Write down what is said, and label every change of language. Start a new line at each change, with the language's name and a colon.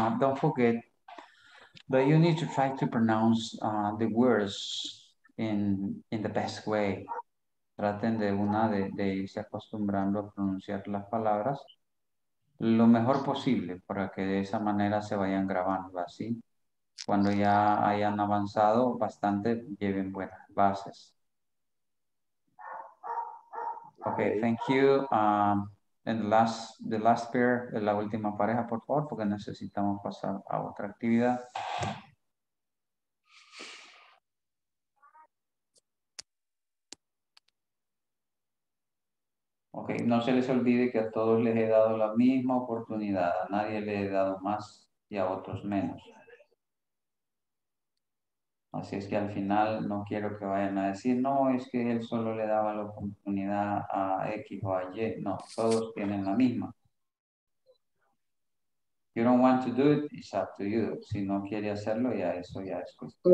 English: Don't forget that you need to try to pronounce the words in the best way.
Spanish: Traten de una de irse acostumbrando a pronunciar las palabras lo mejor posible, para que de esa manera se vayan grabando, así. Cuando ya hayan avanzado bastante, lleven buenas bases.
English: Okay, thank you. And the last pair,
Spanish: la última pareja, por favor, porque necesitamos pasar a otra actividad. Ok, no se les olvide que a todos les he dado la misma oportunidad. A nadie le he dado más y a otros menos. Así es que al final no quiero que vayan a decir, no, es que él solo le daba la oportunidad a X o a Y. No, todos tienen la misma.
English: If you don't want to do it, it's up to you.
Spanish: Si no quiere hacerlo, ya eso ya es cuestión.